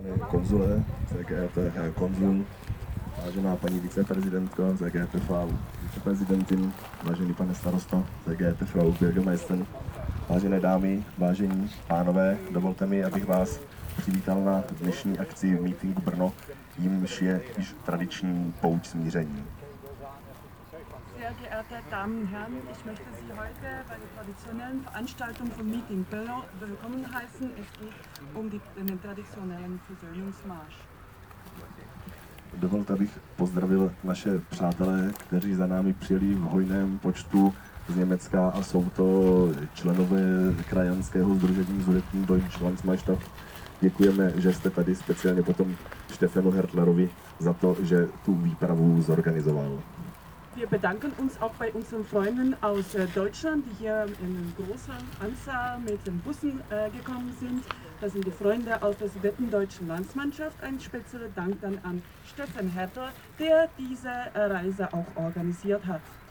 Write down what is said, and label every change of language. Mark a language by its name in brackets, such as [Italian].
[Czech] konzule, ZGF, [German] Herr Konzul, [Czech] vážená paní viceprezidentko, ZGFV, viceprezidentin, vážený pane starosto, ZGFV, Bürgermeister, vážené dámy, vážení pánové, dovolte mi, abych vás přivítal na dnešní akci v Meetingu Brno, jímž je již tradiční pouť smíření. [German] Sehr geehrte Damen und Herren, ich möchte Sie heute bei der traditionellen Veranstaltung vom Meeting Brno willkommen heißen. Es geht um den traditionellen Versöhnungsmarsch. [Czech] Dovolte, abych pozdravil naše přátelé, kteří za námi přijeli v hojném počtu z Německa a jsou to členové krajanského sdružení Sudetní Deutschlandsmeisterschaft. Děkujeme, že jste tady, speciálně potom Stefanu Hertlerovi za to, že tu výpravu zorganizoval. [German] Wir bedanken uns auch bei unseren Freunden aus Deutschland, die hier in großer Anzahl mit den Bussen gekommen sind. Das sind die Freunde aus der Sudetendeutschen Landsmannschaft. Ein spezieller Dank dann an Stefan Hertler, der diese Reise auch organisiert hat.